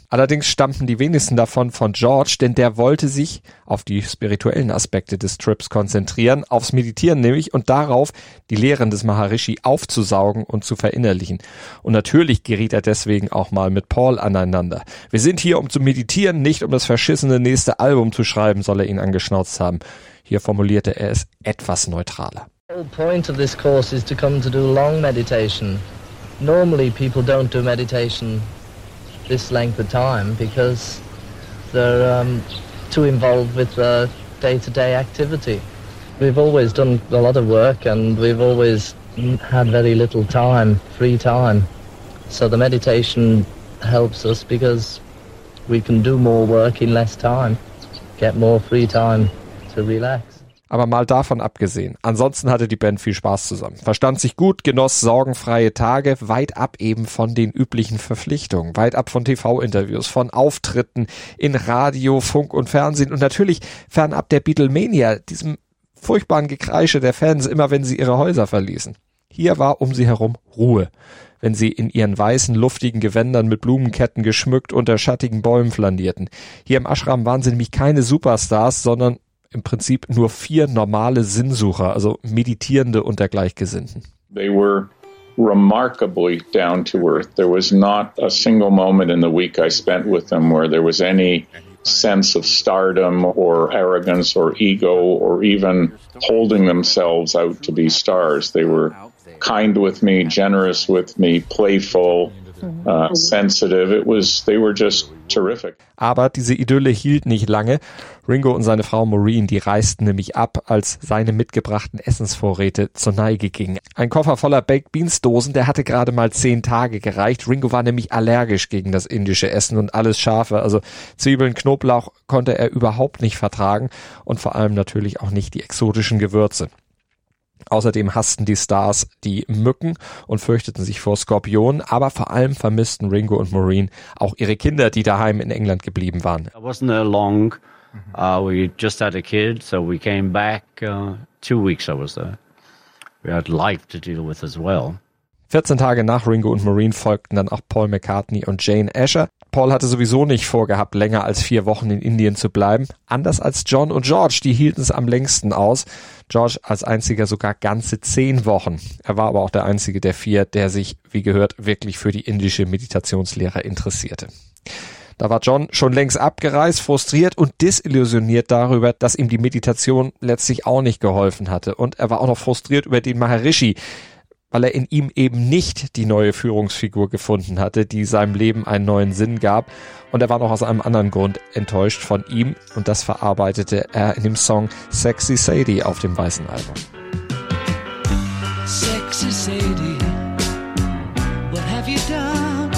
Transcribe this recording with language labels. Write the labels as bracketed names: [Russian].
[German] Allerdings stammten die wenigsten davon von George, denn der wollte sich auf die spirituellen Aspekte des Trips konzentrieren, aufs Meditieren nämlich, und darauf die Lehren des Maharishi aufzusaugen und zu verinnerlichen. Und natürlich geriet er deswegen auch mal mit Paul aneinander. Wir sind hier, um zu meditieren, nicht um das verschissene nächste Album zu schreiben, soll er ihn angeschnauzt haben. Hier formulierte er es etwas neutraler. [English] The whole point of this course is to come to do long meditation. Normally people don't do meditation this length of time because they're too involved with the day-to-day activity. We've always done a lot of work and we've always had very little time, free time. So the meditation helps us because we can do more work in less time, get more free time to relax. [German] Aber mal davon abgesehen, ansonsten hatte die Band viel Spaß zusammen. Verstand sich gut, genoss sorgenfreie Tage, weit ab eben von den üblichen Verpflichtungen. Weit ab von TV-Interviews, von Auftritten in Radio, Funk und Fernsehen. Und natürlich fernab der Beatlemania, diesem furchtbaren Gekreische der Fans, immer wenn sie ihre Häuser verließen. Hier war um sie herum Ruhe, wenn sie in ihren weißen, luftigen Gewändern mit Blumenketten geschmückt unter schattigen Bäumen flanierten. Hier im Ashram waren sie nämlich keine Superstars, sondern im Prinzip nur vier normale Sinnsucher, also Meditierende unter Gleichgesinnten. [English] They were remarkably down to earth. There was not a single moment in the week I spent with them where there was any sense of stardom or arrogance or ego or even holding themselves out to be stars. They were kind with me, generous with me, playful, sensitive. They were just terrific. [German] Aber diese Idylle hielt nicht lange. Ringo und seine Frau Maureen, die reisten nämlich ab, als seine mitgebrachten Essensvorräte zur Neige gingen. Ein Koffer voller Baked Beans Dosen, der hatte gerade mal 10 Tage gereicht. Ringo war nämlich allergisch gegen das indische Essen und alles Scharfe. Also Zwiebeln, Knoblauch konnte er überhaupt nicht vertragen und vor allem natürlich auch nicht die exotischen Gewürze. Außerdem hassten die Stars die Mücken und fürchteten sich vor Skorpionen, aber vor allem vermissten Ringo und Maureen auch ihre Kinder, die daheim in England geblieben waren. [English] It wasn't there long. We just had a kid, so we came back 2 weeks I was there. We had life to deal with as well. [German] 14 Tage nach Ringo und Maureen folgten dann auch Paul McCartney und Jane Asher. Paul hatte sowieso nicht vorgehabt, länger als 4 Wochen in Indien zu bleiben. Anders als John und George, die hielten es am längsten aus. George als einziger sogar ganze 10 Wochen. Er war aber auch der einzige der vier, der sich, wie gehört, wirklich für die indische Meditationslehre interessierte. Da war John schon längst abgereist, frustriert und desillusioniert darüber, dass ihm die Meditation letztlich auch nicht geholfen hatte. Und er war auch noch frustriert über den Maharishi, weil er in ihm eben nicht die neue Führungsfigur gefunden hatte, die seinem Leben einen neuen Sinn gab. Und er war noch aus einem anderen Grund enttäuscht von ihm. Und das verarbeitete er in dem Song Sexy Sadie auf dem weißen Album. [English] Sexy Sadie, what have you done?